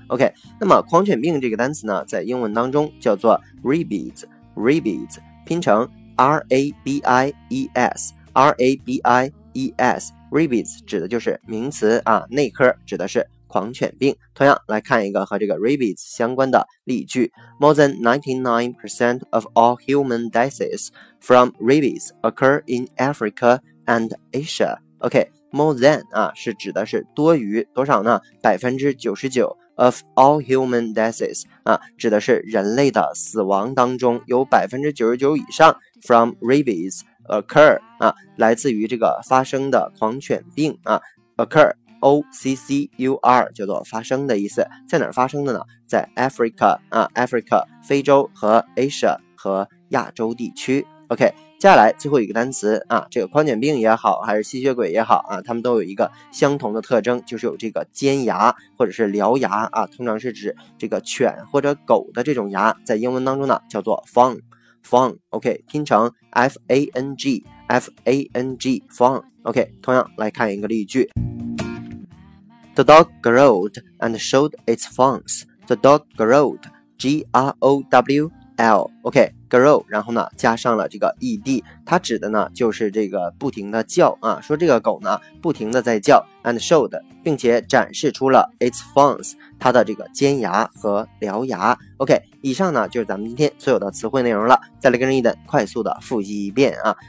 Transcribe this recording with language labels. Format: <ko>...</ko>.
<zh>OK， 那么狂犬病这个单词呢在英文当中叫做 rabies 拼成 R-A-B-I-E-S R-A-B-I-E-S rabies 指的就是名词啊，内科指的是狂犬病。同样来看一个和这个 rabies 相关的例句。</zh> <en>More than 99% of all human deaths from rabies occur in AfricaAnd Asia.</en> <zh>OK, more than 啊是指的是多于多少呢？99%</zh> <en>of all human deaths</en> <zh>啊，指的是人类的死亡当中有 99% 以上</zh> <en>from rabies occur</en> <zh>啊，来自于这个发生的狂犬病啊 occur OCCUR 叫做发生的意思，在哪儿发生的呢？在 Africa 啊 ，Africa 非洲和 Asia 和亚洲地区。 OK， 接下来最后一个单词啊，这个狂犬病也好，还是吸血鬼也好啊，他们都有一个相同的特征，就是有这个尖牙或者是獠牙啊，通常是指这个犬或者狗的这种牙，在英文当中呢叫做 fang fang。 OK， 拼成 FANG FANG fang。 OK， 同样来看一个例句。</zh> <en>The dog growled and showed its fangs. The dog growled, G-R-O-W-L.</en> <zh>OK, growl, 然后呢加上了这个 ED, 它指的呢就是这个不停的叫啊，说这个狗呢不停的在叫</zh> <en>and showed,</en> <zh>并且展示出了 its fangs, 它的这个尖牙和獠牙。 OK, 以上呢就是咱们今天所有的词汇内容了，再来跟Eden快速的复习一遍啊。</zh>